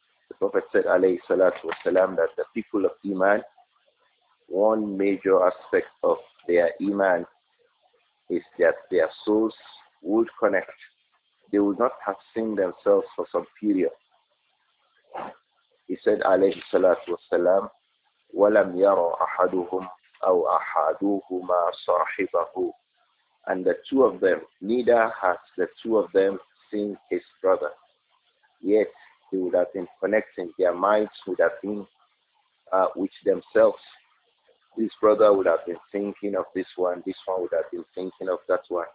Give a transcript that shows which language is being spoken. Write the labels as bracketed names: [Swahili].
[English] The Prophet said, alayhi salatu wa salam, that the people of iman, one major aspect of their iman is that their souls would connect. They would not have seen themselves for some period. He said, [Arabic] alayhi salatu wasalam, وَلَمْ يَرَ أَحَدُهُمْ أَوْ أَحَدُهُمَا صَاحِبَهُ. [English] And the two of them, neither has the two of them seen his brother. Yet, they would have been connecting, their minds would have been with themselves. This brother would have been thinking of this one would have been thinking of that one.